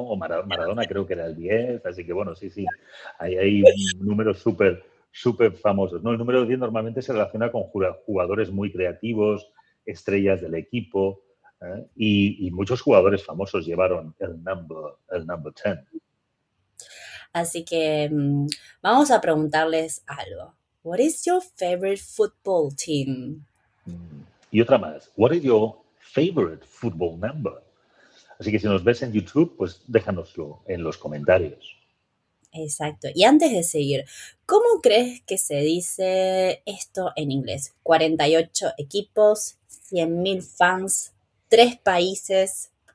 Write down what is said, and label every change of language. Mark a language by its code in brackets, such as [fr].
[es] O Maradona creo que era el 10, así que bueno, sí, hay números súper, súper famosos, ¿no? El número 10 normalmente se relaciona con jugadores muy creativos, estrellas del equipo, ¿eh? Y muchos jugadores famosos llevaron el number 10. Así que vamos a preguntarles algo. [en] What is your favorite football team? [es] Y otra más. [en] What is your favorite football number? [es] Así que si nos ves en YouTube, pues déjanoslo en los comentarios. Exacto. Y antes de seguir, ¿cómo crees que se dice esto en inglés? 48 equipos, 100.000 fans, 3 países.